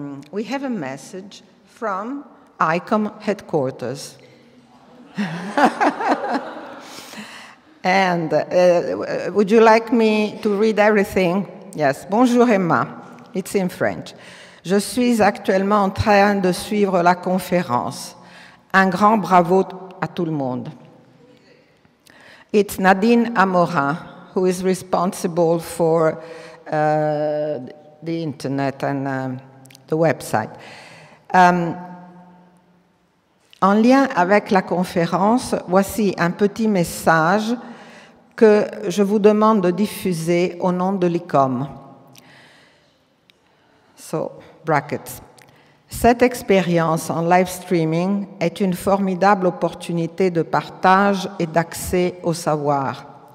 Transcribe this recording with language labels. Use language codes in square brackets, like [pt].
[en] We have a message from ICOM headquarters. And would you like me to read everything? Yes. [fr] Bonjour Emma. [en] It's in French. [fr] Je suis actuellement en train de suivre la conférence. Un grand bravo à tout le monde. [en] It's Nadine Amorin, who is responsible for the internet and the website. [fr] En lien avec la conférence, voici un petit message que je vous demande de diffuser au nom de l'ICOM. [en] So, brackets. [fr] Cette expérience en live streaming est une formidable opportunité de partage et d'accès au savoir.